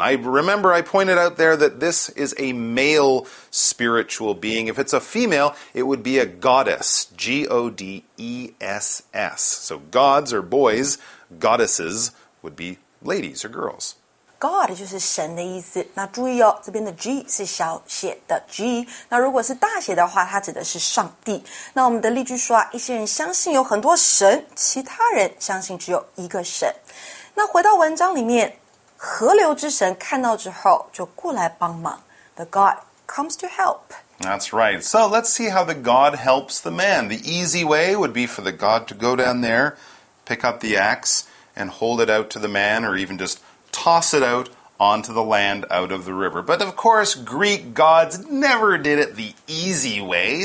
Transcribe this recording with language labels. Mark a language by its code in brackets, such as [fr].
[en] I remember I pointed out there that this is a male spiritual being. If it's a female, it would be a goddess, G-O-D-E-S-S. So gods are boys, goddesses would be ladies or girls. [zh] God 就是神的意思。那注意哦，这边的 G 是小写的 G。那如果是大写的话，它指的是上帝。那我们的例句说啊，一些人相信有很多神，其他人相信只有一个神。那回到文章里面，河流之神看到之后就过来帮忙。 [en] The God comes to help. That's right. So let's see how the God helps the man. The easy way would be for the God to go down there, pick up the axe, and hold it out to the man, or even just toss it out onto the land out of the river. But of course, Greek gods never did it the easy way.